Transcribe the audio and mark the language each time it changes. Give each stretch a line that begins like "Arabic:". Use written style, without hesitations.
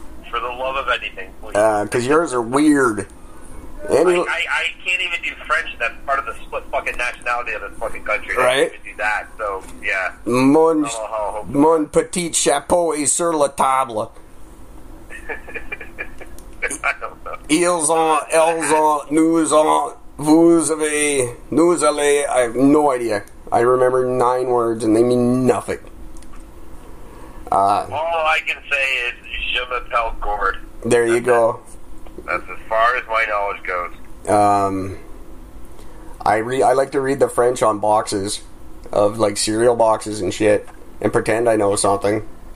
English: For the love of anything, please. Because yours are weird. I can't even do French. That's part of the split fucking nationality of this fucking country. Right? I can't even do that. So, yeah.
French: Mon petit chapeau est sur la table.
English: I don't know.
French: Ils ont, elles ont, nous ont, vous avez, nous allez.
English: I have no idea. I remember 9 words and they mean nothing. All I can say is
French: je m'appelle Gord.
English: There you go. That's as far as my knowledge goes. I like to read the French on boxes of, like, cereal boxes and shit and pretend I know something.